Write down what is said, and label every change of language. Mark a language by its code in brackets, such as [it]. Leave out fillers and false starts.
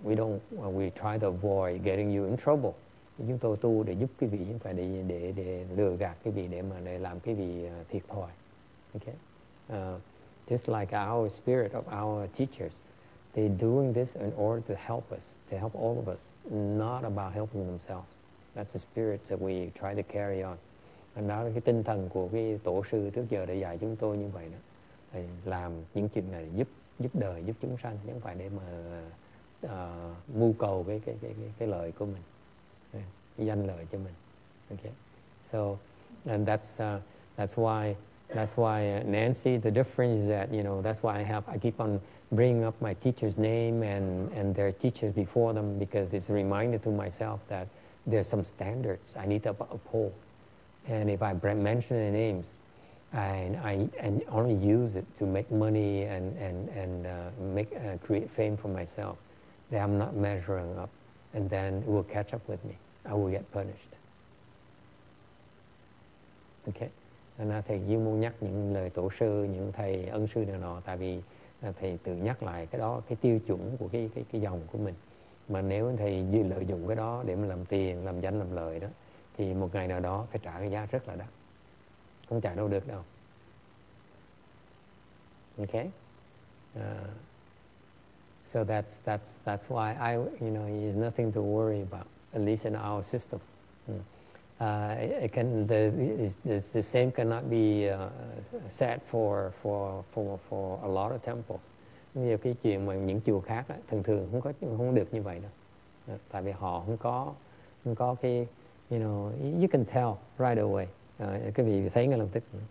[en] We try to avoid getting you in trouble. [vi] Chúng tôi tu để giúp quý vị, không phải để lừa gạt quý vị, để mà để làm quý vị thiệt thòi. Okay. [en] Just like our spirit of our teachers, they're doing this in order to help us, to help all of us, not about helping themselves. That's the spirit that we try to carry on. [vi] And đó là cái tinh thần của cái tổ sư trước giờ đã dạy chúng tôi như vậy đó. Để làm những chuyện này giúp đời, giúp chúng sanh, chẳng phải để mà mưu cầu cái lợi của mình, danh lợi cho mình. [en] Okay. So, and that's why Nancy, the difference is that, you know, that's why I keep on bringing up my teacher's name and their teachers before them, because it's a reminder to myself that there's some standards I need to uphold. And if I mention their names, and only use it to make money and create fame for myself, then I'm not measuring up, and then it will catch up with me. I will get punished. [vi] Okay, nên thầy Diêu muốn nhắc những lời tổ sư, những thầy ân sư đều nọ, tại vì thầy tự nhắc lại cái đó, cái tiêu chuẩn của cái dòng của mình. Mà nếu thầy dư lợi dụng cái đó để mà làm tiền, làm danh, làm lợi đó, thì một ngày nào đó phải trả cái giá rất là đắt. Không chạy đâu được đâu. Okay. [en] So that's why I, you know, there's nothing to worry about, at least in our system. The same cannot be said for a lot of temples. [vi] Như cái chuyện mà những chùa khác á, thường thường không có, không được như vậy đâu. Tại vì họ không có cái, [en] you know, you can tell right away. [vi] Cái vị thấy ngay lập tức.